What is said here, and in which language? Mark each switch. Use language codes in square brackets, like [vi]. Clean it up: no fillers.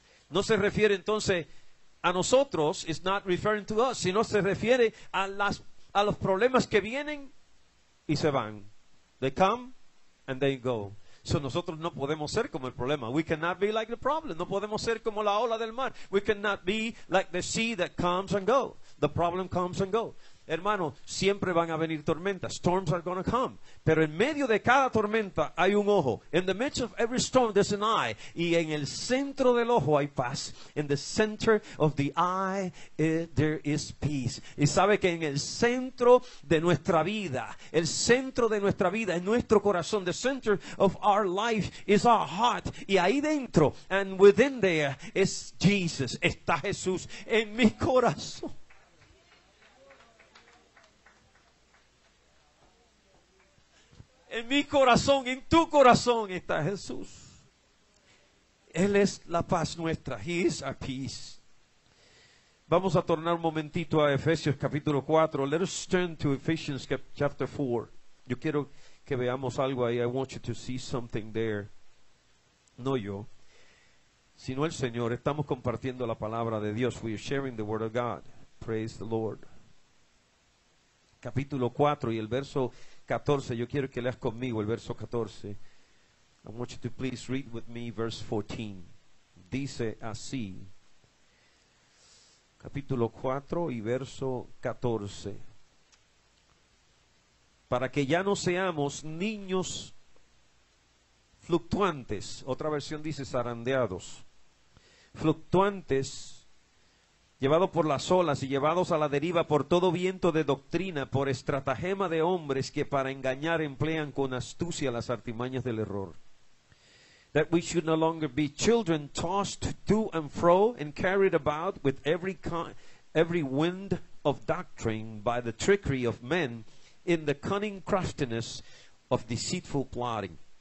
[es] No se refiere entonces a nosotros, [en] is not referring to us, [es] sino se refiere a los problemas que vienen y se van. [en] They come and they go. [es] So nosotros no podemos ser como el problema. [en] We cannot be like the problem. [es] No podemos ser como la ola del mar. [en] We cannot be like the sea that comes and go. The problem comes and go. [es] Hermano, siempre van a venir tormentas. [en] Storms are going to come. [es] Pero en medio de cada tormenta hay un ojo. [en] In the midst of every storm there's an eye. [es] Y en el centro del ojo hay paz. [en] In the center of the eye there is peace. [es] Y sabe que en el centro de nuestra vida, el centro de nuestra vida, en nuestro corazón, [en] the center of our life is our heart. [es] Y ahí dentro, [en] and within there is Jesus. [es] Está Jesús en mi corazón. En mi corazón, en tu corazón está Jesús. Él es la paz nuestra. [en] He is our peace. [es] Vamos a tornar un momentito a Efesios capítulo 4. [en] Let us turn to Ephesians chapter 4. [es] Yo quiero que veamos algo ahí. [en] I want you to see something there. [es] No yo, sino el Señor. Estamos compartiendo la palabra de Dios. [en] We are sharing the word of God. Praise the Lord. [es] Capítulo 4 y el verso 14, yo quiero que leas conmigo el verso 14. [en] I want you to please read with me verse 14. [es] Dice así, capítulo 4 y verso 14. Para que ya no seamos niños fluctuantes, otra versión dice zarandeados, fluctuantes, llevados por las olas y llevados a la deriva por todo viento de doctrina, por estratagema de hombres que para engañar emplean con astucia las artimañas del error. [en] That we should no longer be children tossed to and fro and carried about with every wind of doctrine by the trickery of men in the cunning craftiness of deceitful plotting.